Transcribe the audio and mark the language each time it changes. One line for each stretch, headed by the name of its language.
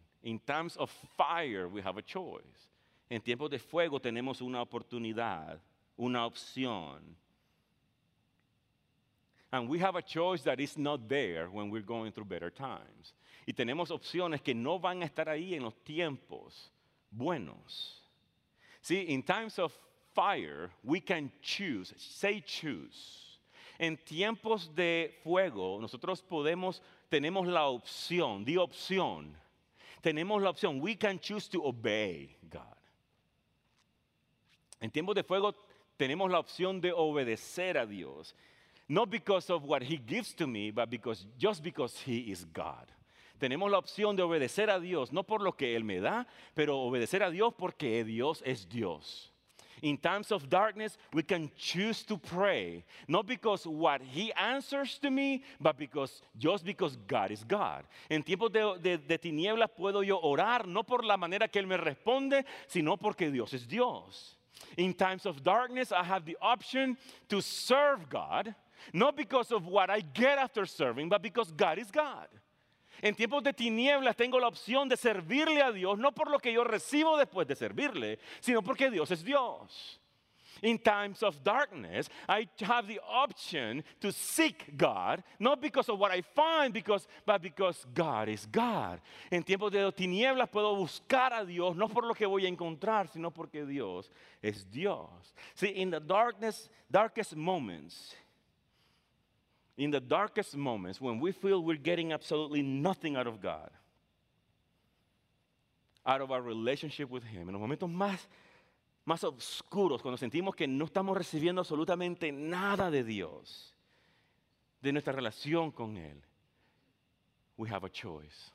English: In times of fire, we have a choice.
Spanish: En tiempos de fuego, tenemos una oportunidad, una opción.
English: And we have a choice that is not there when we're going through better times.
Spanish: Y tenemos opciones que no van a estar ahí en los tiempos buenos.
English: See, in times of fire, we can choose. Say choose.
Spanish: En tiempos de fuego, nosotros podemos, tenemos la opción, the opción. Tenemos la opción.
English: We can choose to obey God.
Spanish: En tiempos de fuego, tenemos la opción de obedecer a Dios.
English: Not because of what he gives to me, but because just because he is God.
Spanish: Tenemos la opción de obedecer a Dios, no por lo que él me da, pero obedecer a Dios porque Dios es Dios.
English: In times of darkness, we can choose to pray, not because what he answers to me, but because just because God is God.
Spanish: En tiempos de tinieblas puedo yo orar, no por la manera que él me responde, sino porque Dios es Dios.
English: In times of darkness, I have the option to serve God, not because of what I get after serving, but because God is God.
Spanish: En tiempos de tinieblas tengo la opción de servirle a Dios, no por lo que yo recibo después de servirle, sino porque Dios es Dios.
English: In times of darkness, I have the option to seek God, not because of what I find, but because God is God.
Spanish: En tiempos de tinieblas puedo buscar a Dios, no por lo que voy a encontrar, sino porque Dios es Dios.
English: See, in the darkness, darkest moments, in the darkest moments, when we feel we're getting absolutely nothing out of God, out of our relationship with him,
Spanish: en los momentos más oscuros, cuando sentimos que no estamos recibiendo absolutamente nada de Dios, de nuestra relación con él,
English: we have a choice.